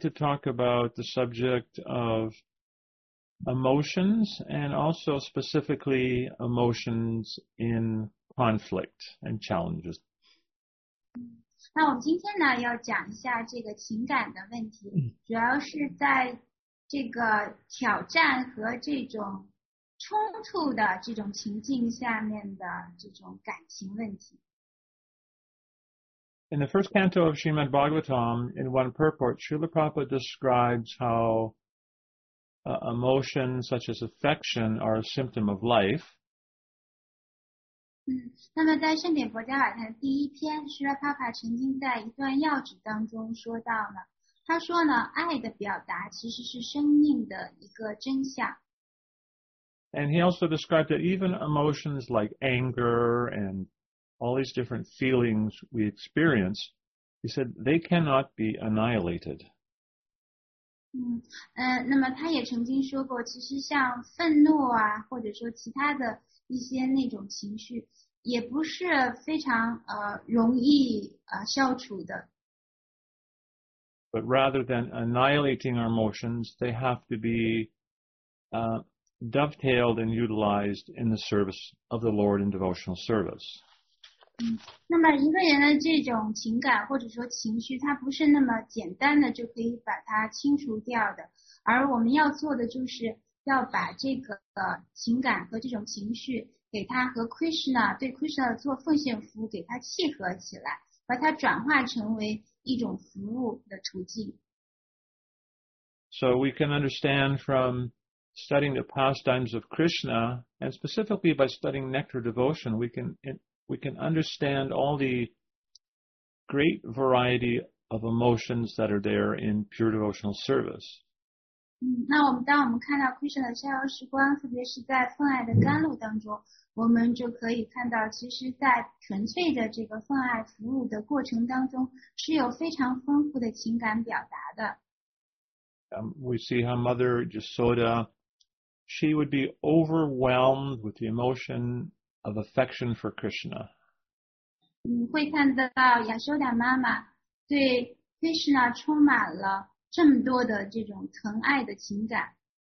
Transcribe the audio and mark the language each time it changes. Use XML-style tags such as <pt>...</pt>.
<en>to talk about the subject of emotions and also specifically emotions in conflict and challenges.</en> <zh>那我们今天呢要讲一下这个情感的问题，主要是在这个挑战和这种冲突的这种情境下面的这种感情问题。</zh> <en>In the first canto of Srimad Bhagavatam, in one purport, Srila Prabhupada describes howemotions such as affection are a symptom of life.</en> <zh>那么在圣典佛教法坛第一篇，释迦牟尼曾经在一段要旨当中说到呢，他说呢，爱的表达其实是生命的一个真相。</zh> <en>And he also described that even emotions like anger and all these different feelings we experience, he said they cannot be annihilated.</en> <zh>那么他也曾经说过，其实像愤怒啊，或者说其他的一些那种情绪，也不是非常容易消除的。</zh> <en>But rather than annihilating our emotions, they have to be dovetailed and utilized in the service of the Lord in devotional service.</en> <zh>那么一个人的这种情感或者说情绪，它不是那么简单的就可以把它清除掉的，而我们要做的就是要把这个情感和这种情绪给它和 Krishna 对 Krishna 做奉献服务给它契合起来，把它转化成为一种服务的途径。</zh> <en>So we can understand from studying the pastimes of Krishna and specifically by studying nectar devotion, we can understand all the great variety of emotions that are there in pure devotional service.</en> <zh>那我们当我们看到 Krishna 的逍遥时光，特别是在奉爱的甘露当中，我们就可以看到，其实，在纯粹的这个奉爱服务的过程当中，是有非常丰富的情感表达的。</zh> <en>We see how Mother Yashoda, she would be overwhelmed with the emotion. Of affection for Krishna.</en> <zh>会看到亚修达妈妈对 Krishna 充满了这么多的这种疼爱的情感。</zh>